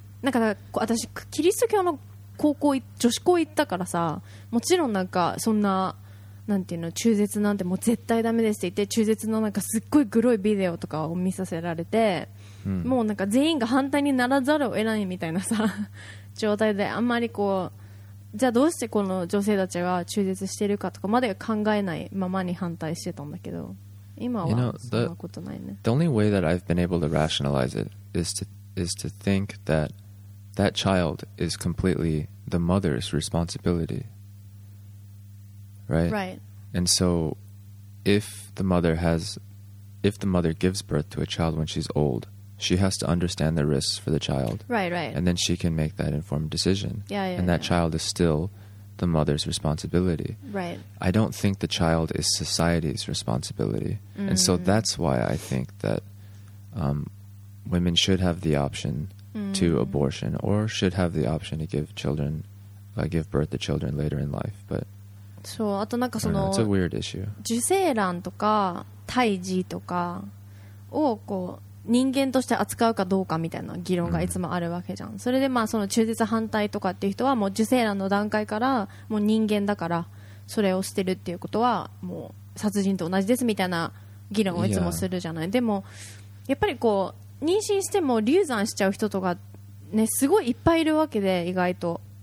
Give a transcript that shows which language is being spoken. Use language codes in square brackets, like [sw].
[ja] なんか私キリスト教の高校女子校行ったからさもちろんなんかそんななんていうの中絶なんてもう絶対ダメですって言って中絶のなんかすっごいグロいビデオとかを見させられて、 hmm. もうなんか全員が反対にならざるを得ないみたいなさ状態であんまりこうじゃあどうしてこの女性たちは中絶してるかとかまで考えないままに反対してたんだけど [en] You know, the only way that I've been able to rationalize it is to think that that child is completely the mother's responsibility, right? Right. And so if the mother gives birth to a child when she's old, she has to understand the risks for the child. Right, right. And then she can make that informed decision. Yeah, yeah. And that yeah. child is still the mother's responsibility. Right. I don't think the child is society's responsibility. Mm. And so that's why I think that women should have the option to abortion or should have the option to give children, give birth to children later in life. But [ja] そう、あとなんかその、 [en] it's a weird issue. [ja] 受精卵とか胎児とかをこう人間として扱うかどうかみたいな議論がいつもあるわけじゃん、うん、それでまあその中絶反対とかっていう人はもう受精卵の段階からもう人間だからそれを捨てるっていうことはもう殺人と同じですみたいな議論をいつもするじゃない、yeah. でもやっぱりこう妊娠しても流産しちゃう人とかねすごいいっぱいいるわけで意外と、